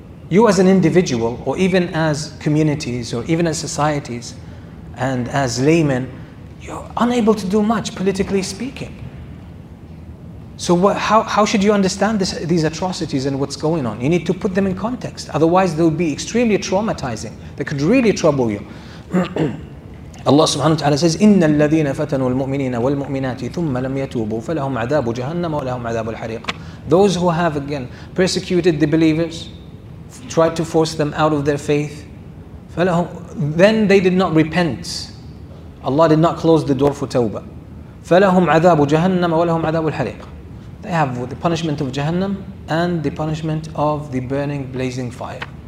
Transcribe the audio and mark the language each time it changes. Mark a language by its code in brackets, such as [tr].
[en] You as an individual, or even as communities, or even as societies, and as laymen, you're unable to do much, politically speaking. So how should you understand these atrocities and what's going on? You need to put them in context. Otherwise, they would be extremely traumatizing. They could really trouble you. Allah subhanahu wa ta'ala says, [ar] إِنَّ الَّذِينَ فَتَنُوا الْمُؤْمِنِينَ وَالْمُؤْمِنَاتِ ثُمَّ لَمْ يَتُوبُوا فَلَهُمْ عَذَابُ جَهَنَّمَ وَلَهُمْ عَذَابُ الْحَرِيقِ. [en] Those who have again persecuted the believers, tried to force them out of their faith, then they did not repent. Allah did not close the door for tawbah. [ar] فَلَهُمْ عَذَابُ جَهَنَّمَ وَلَهُمْ عَذَابُ الْحَرِيقِ. [en] They have the punishment of Jahannam and the punishment of the burning, blazing fire.